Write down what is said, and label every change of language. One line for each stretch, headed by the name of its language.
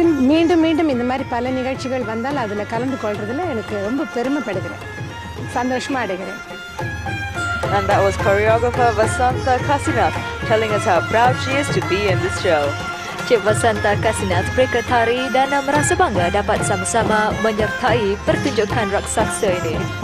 Tamil: மீண்டும் மீண்டும் இந்த மாதிரி பல நிகழ்ச்சிகள் வந்தால் அதில் கலந்து கொள்றதுல எனக்கு ரொம்ப பெருமைப்படுகிறேன், சந்தோஷமா அடைகிறேன்.
English: And that was choreographer Vasanta Kasinath telling us how proud she is to be in this show.
Malay: Cik Vasanta Kasinath mereka tari dan merasa bangga dapat sama-sama menyertai pertunjukan raksasa ini.